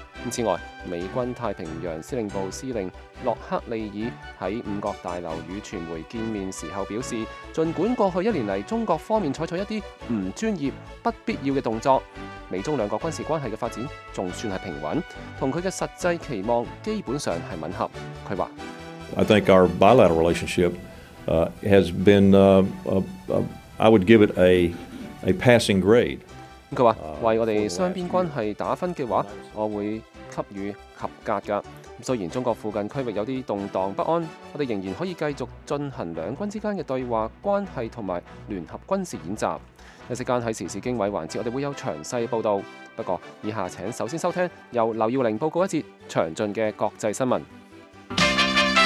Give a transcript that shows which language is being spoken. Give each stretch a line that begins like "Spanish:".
Chinese: 此外，美军太平洋司令部司令洛克利尔在五角大楼与传媒见面时候表示，尽管过去一年来中国方面采取一些不专业、不必要的动作，美中两国军事关系的发展还算是平稳，和他的实际期望基本上是吻合。他说
English: ：“I think our bilateral relationship has been, I would give it a passing grade.”
Chinese: 他说：“为我们双边关系打分的话，我会。” 給予及格的。雖然中國附近區域有些動盪不安，我們仍然可以繼續進行兩軍之間的對話關係和聯合軍事演習。一時間在時事經緯環節，我們會有詳細報導。不過以下請首先收聽由劉耀玲報告一節詳盡的國際新聞。